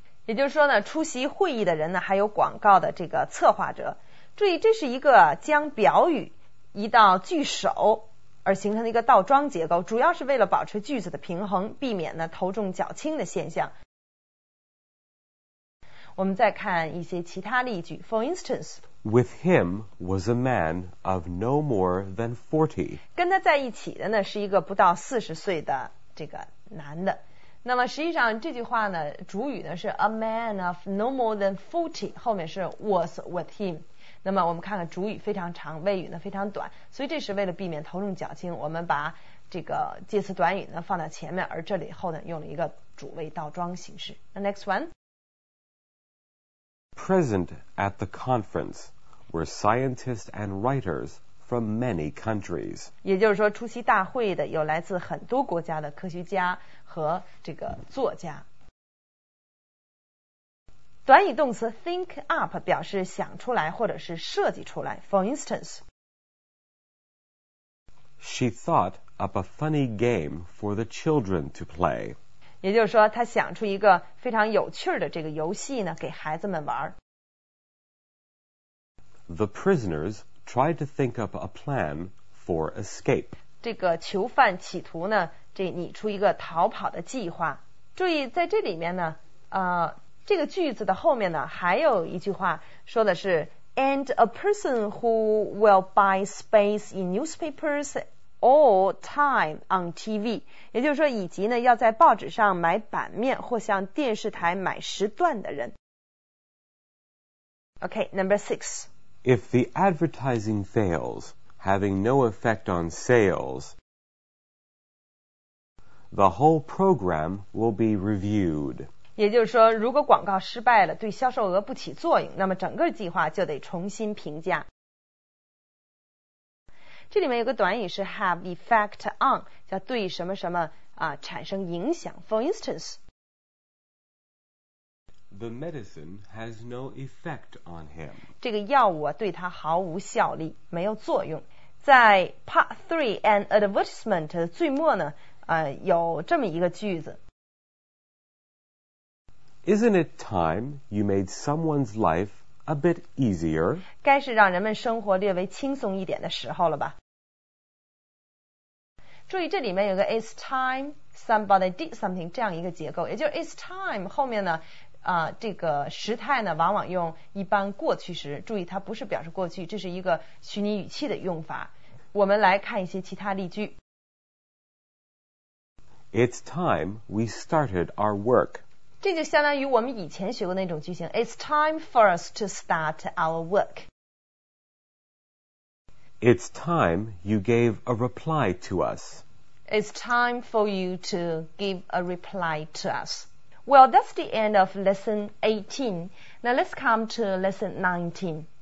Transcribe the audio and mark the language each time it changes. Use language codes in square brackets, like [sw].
[zh] 也就是说呢，出席会议的人呢，还有广告的这个策划者。注意，这是一个将表语移到句首而形成的一个倒装结构，主要是为了保持句子的平衡，避免呢头重脚轻的现象。我们再看一些其他例句。 [en] For instance, With him was a man of no more than 40. [zh] 跟他在一起的呢是一个不到40岁的这个男的。那么实际上这句话呢主语呢是 [en] a man of no more than 40, [zh] 后面是 [en] was with him. [zh] 那么我们看看主语非常长，谓语呢非常短，所以这是为了避免头重脚轻，我们把这个介词短语呢放到前面，而这里后呢用了一个主谓倒装形式。 [en] The next one. Present at the conference were scientists and writers from many countries. [zh] 也就是说出席大会的有来自很多国家的科学家和这个作家。短语动词 think up 表示想出来或者是设计出来。 [en] For instance, She thought up a funny game for the children to play. [zh] 也就是说他想出一个非常有趣的这个游戏呢给孩子们玩。 [en] The prisoners tried to think up a plan for escape. [zh] 这个囚犯企图呢这拟出一个逃跑的计划。注意在这里面呢这个句子的后面呢还有一句话说的是 [en] And a person who will buy space in newspapers,All time on TV, [zh] 也就是说以及呢要在报纸上买版面或向电视台买时段的人。 [en] OK, number six. If the advertising fails, having no effect on sales, the whole program will be reviewed. [zh] 也就是说如果广告失败了对销售额不起作用，那么整个计划就得重新评价。这里面有个短语是 have effect on, 叫对什么什么啊产生影响。 [en] For instance, The medicine has no effect on him. [zh] 这个药物啊对他毫无效力，没有作用。在 part 3 and advertisement 最末呢有这么一个句子。 [en] Isn't it time you made someone's life a bit easier? [zh] 该是让人们生活略微轻松一点的时候了吧。注意这里面有个 [en] It's time somebody did something [zh] 这样一个结构，也就是 It's time 后面呢这个时态呢往往用一般过去时，注意它不是表示过去，这是一个虚拟语气的用法。我们来看一些其他例句。 [en] It's time we started our work. [zh] 这就相当于我们以前学过那种句型。 [en] It's time for us to start our work. It's time you gave a reply to us. It's time for you to give a reply to us. Well, that's the end of lesson 18. Now let's come to lesson 19.